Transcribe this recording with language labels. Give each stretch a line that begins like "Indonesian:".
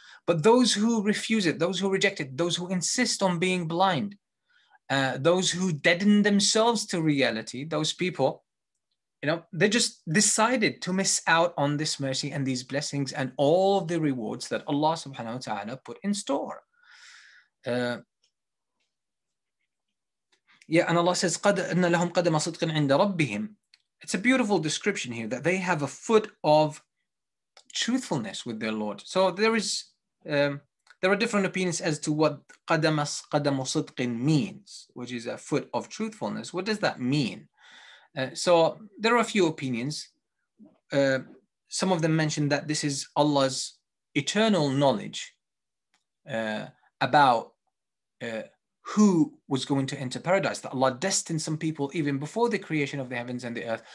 English: But those who refuse it, those who reject it, those who insist on being blind, those who deaden themselves to reality, those people, you know, they just decided to miss out on this mercy and these blessings and all of the rewards that Allah subhanahu wa ta'ala put in store.
Arabic: And Allah says, قَدْ أَنَّ لَهُمْ قَدَمَ صِدْقٍ عِنْدَ رَبِّهِمْ.
English: It's a beautiful description here that they have a foot of truthfulness with their Lord. So there are different opinions as to what قَدَمُ صِدْقٍ means, which is a foot of truthfulness. What does that mean? So there are a few opinions. Some of them mention that this is Allah's eternal knowledge about who was going to enter paradise, that Allah destined some people even before the creation of the heavens and the earth.